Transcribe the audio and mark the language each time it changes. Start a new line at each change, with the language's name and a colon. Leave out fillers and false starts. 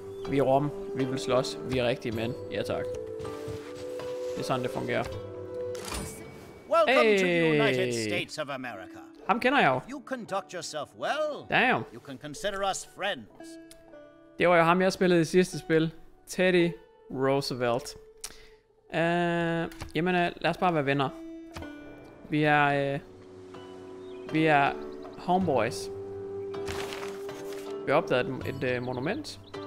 Danish: Vi er Rom, vi vil slås, vi er rigtige mænd. Ja tak. Det er sådan, det fungerer.
English: Welcome to the United States of America.
Danish: Ham kender jeg jo.
English: You conduct yourself well. Damn. You can consider us friends.
Danish: Det var jo ham, jeg spillede i sidste spil. Teddy Roosevelt. Lad os bare være venner. Vi er homeboys. Vi har opdaget et monument.